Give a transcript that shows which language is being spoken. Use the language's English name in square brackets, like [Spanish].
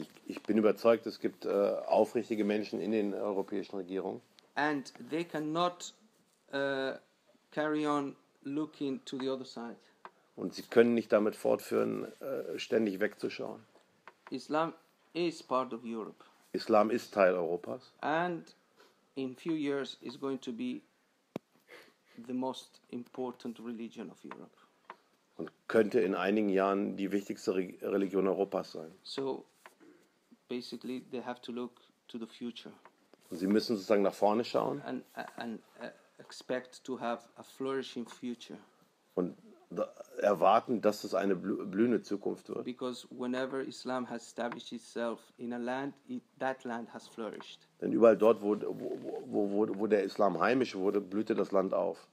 [German] Ich bin überzeugt, es gibt aufrichtige Menschen in den europäischen Regierungen. [English] And they cannot carry on looking to the other side. [German] Und sie können nicht damit fortführen, ständig wegzuschauen. [English] Islam is part of Europe. [German] Islam ist Teil Europas. [English] And in few years is going to be the most important religion of Europe. [German] Und könnte in einigen Jahren die wichtigste Religion Europas sein. [English] So basically they have to look to the future. [German] Und sie müssen sozusagen nach vorne schauen. [English] And expect to have a flourishing future. [German] Und erwarten, dass es eine blühende Zukunft wird. [English] Because whenever Islam has established itself in a land, that land has flourished. [German] Denn überall dort, wo der Islam heimisch wurde, blühte das Land auf.